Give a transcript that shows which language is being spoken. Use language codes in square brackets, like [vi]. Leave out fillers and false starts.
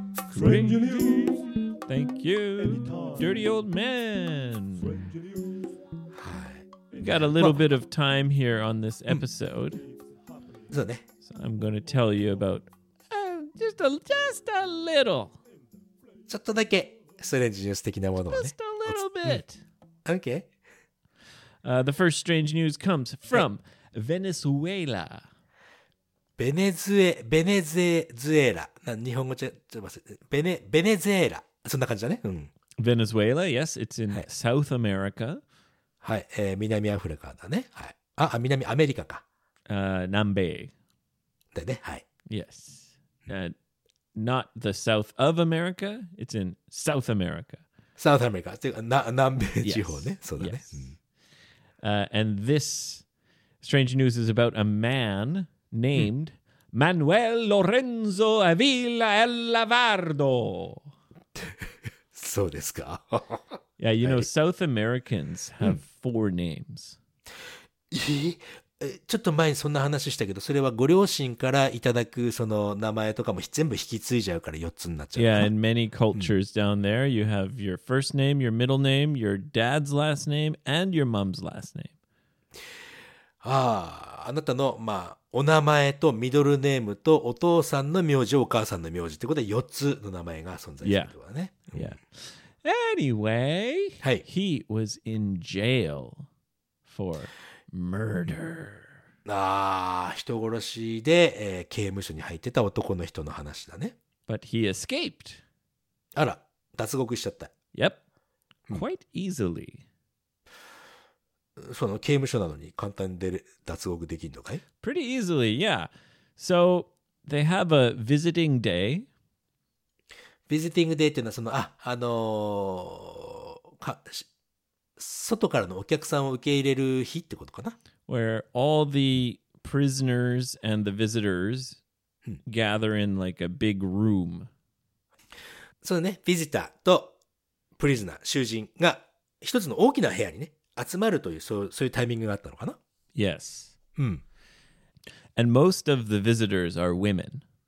[en] Strange news. Thank you,、Anytime. Dirty old man. Strange news. We got a little bit of time here on this episode.、 [ja] うん、そうね。 [en] So I'm going to tell you about just a little. [ja] ちょっとだけストレンジニュース的なものをね。 [en] Just a little bit. Okay. The first strange news comes from Venezuela. Venezuela. [ja] 日本語じゃ、ちょっと待って。 Venezuela。 そんな感じだね。うん。 [en] Venezuela, yes, it's in South America. [ja] はい、南アフリカだね。はい。あ、南アメリカか。南米。でね、はい。 [en] Yes. Not the South of America, it's in South America. [ja] South America, 南米地方ね。そうだね。 [en] And this strange news is about a man named Manuel Lorenzo Avila Elavardo. [ja] そうですか。 [en] Yeah, you know, South Americans have four names. [ja] ちょっと前にそんな話したけど、それはご両親からいただくその名前とかも全部引き継いじゃうから4つになっちゃう。 [en] Yeah, in many cultures down there, you have your first name, your middle name, your dad's last name, and your mom's last name. [ja] あなたの、まあ、お名前とミドルネームとお父さんの名字、お母さんの名字ってことで4つの名前が存在するわね。 [en] Yeah. Anyway,、 [ja] はい、 [en] he was in jail for... Murder. [ja] ああ、人殺しで、刑務所に入ってた男の人の話だね。 [en] But he escaped. [ja] あら、脱獄しちゃった。 [en] Yep. Quite easily. [ja] その刑務所なのに簡単に脱獄できるのかい? [en] Pretty easily, yeah. So they have a visiting day. [ja] Visiting day っていうのはその、外からのお客さんを受け入れる日ってことかな? [en] Where all the prisoners and the visitors gather in like a big room. [ja] そうね、ビジターとプリズナー、囚人が一つの大きな部屋にね、集まるというそういうタイミングがあったのかな? [en] Yes.、 [ja] うん、 [en] and most of the visitors are women.